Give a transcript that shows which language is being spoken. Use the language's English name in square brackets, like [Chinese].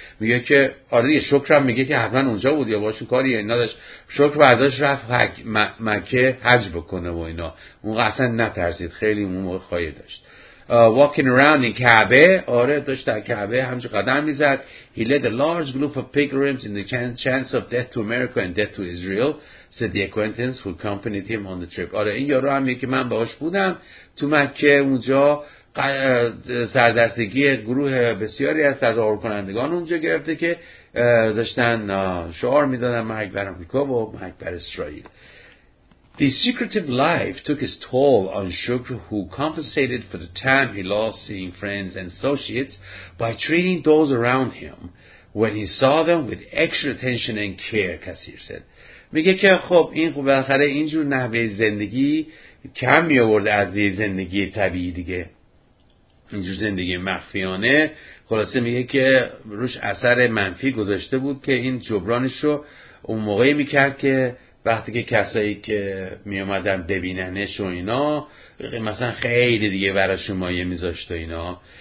[Persian] میگه که آره دیگه، شکرم میگه که حتما اونجا بود یا باشون کاری اینا داشت. شکر برداشت رفت مکه حج بکنه و اینا، اون اصلا نترسید، خیلی اون موقع خواهی داشت. [English] Walking around in Kaaba, [Persian] آره داشت در کعبه همچه قدم میزد. [English] He led a large group of pilgrims in the chance of death to America and death to Israel, said the acquaintance who accompanied him on the trip. [Persian] آره این یارو هم یکی من باش بودم تو مکه، اونجا سردستگی گروه بسیاری از تظاهر کنندگان اونجا گرفته که داشتن شعار میدادن مرگ بر آمریکا و مرگ بر اسرائیل. [English] The secretive life took its toll on Shukr, who compensated for the time he lost seeing friends and associates by treating those around him when he saw them with extra attention and care, Kassir said. [Persian] میگه که خب این خوب بالاخره اینجور نحوه زندگی کم می آورد از یه زندگی طبیعی دیگه، اینجور زندگی مخفیانه، خلاصه میگه که روش اثر منفی گذاشته بود که این جبرانش رو اون موقعی میکرد که وقتی که کسایی که می اومدن ببیننش و اینا مثلا خیلی دیگه براشون مایه میذاشت و اینا.